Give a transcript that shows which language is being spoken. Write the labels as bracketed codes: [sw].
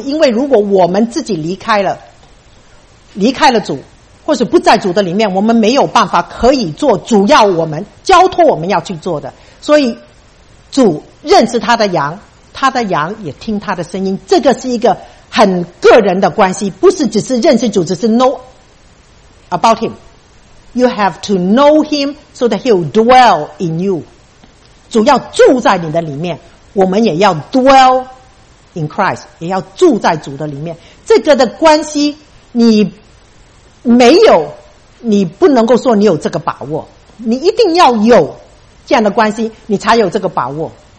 [zh] 因为如果我们自己离开了主，或是不在主的里面，我们没有办法可以做主要我们交托我们要去做的。所以主认识他的羊，他的羊也听他的声音，这个是一个很个人的关系，不是只是认识主，只是 [en] know about him。 You have to know him so that he'll dwell in you。 [zh] 主要住在你的里面，我们也要 [en] dwell in Christ， [zh] 也要住在主的里面。这个的关系你没有，你不能够说你有这个把握，你一定要有这样的关系，你才有这个把握。